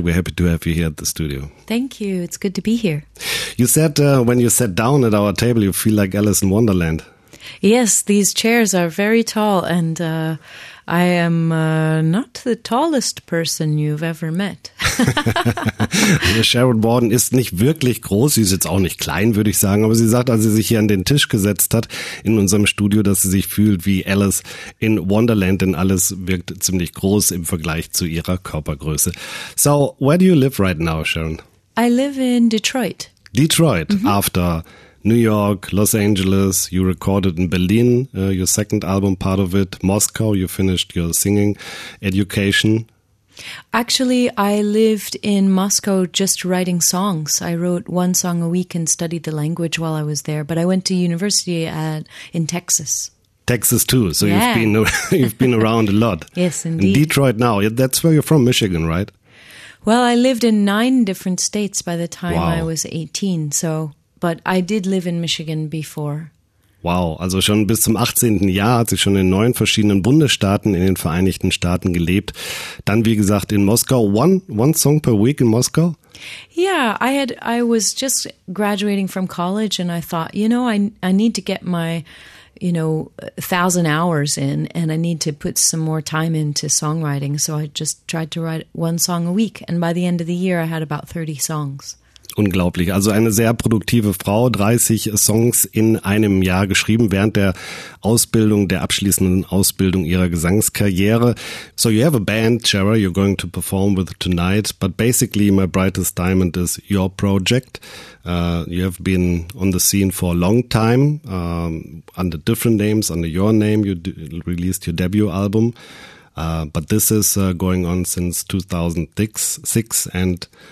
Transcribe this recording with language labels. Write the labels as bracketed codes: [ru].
[en] We're happy to have you here at the studio. Thank you. It's good to be here. You said when you sat down at our table, you feel like Alice in Wonderland. Yes, these chairs are very tall, and I am not the tallest person you've ever met. [de] Sharon Burden ist nicht wirklich groß, sie ist jetzt auch nicht klein, würde ich sagen, aber sie sagt, als sie sich hier an den Tisch gesetzt hat in unserem Studio, dass sie sich fühlt wie Alice in Wonderland, denn alles wirkt ziemlich groß im Vergleich zu ihrer Körpergröße. [en] So, where do you live right now, Sharon? I live in Detroit. Detroit, mm-hmm. After New York, Los Angeles, you recorded in Berlin, your second album, part of it, Moscow, you finished your singing education. Actually, I lived in Moscow just writing songs. I wrote one song a week and studied the language while I was there, but I went to university in Texas. Texas too, so yeah. you've been around a lot. Yes, indeed. In Detroit now, that's where you're from, Michigan, right? Well, I lived in 9 different states by the time I was 18, so... But I did live in Michigan before. [de] Wow, also schon bis zum 18. Jahr hat sie schon in 9 verschiedenen Bundesstaaten in den Vereinigten Staaten gelebt. Dann, wie gesagt, in Moskau. [en] One song per week in Moskau? Yeah, I was just graduating from college and I thought, you know, I need to get my, you know, 1,000 hours in and I need to put some more time into songwriting. So I just tried to write one song a week. And by the end of the year, I had about 30 songs. [de] Unglaublich. Also eine sehr produktive Frau, 30 Songs in einem Jahr geschrieben während der Ausbildung, der abschließenden Ausbildung ihrer Gesangskarriere. [en] So you have a band, Shara, you're going to perform with tonight, but basically My Brightest Diamond is your project. You have been on the scene for a long time, under different names, under your name, released your debut album. But this is going on since 2006 and...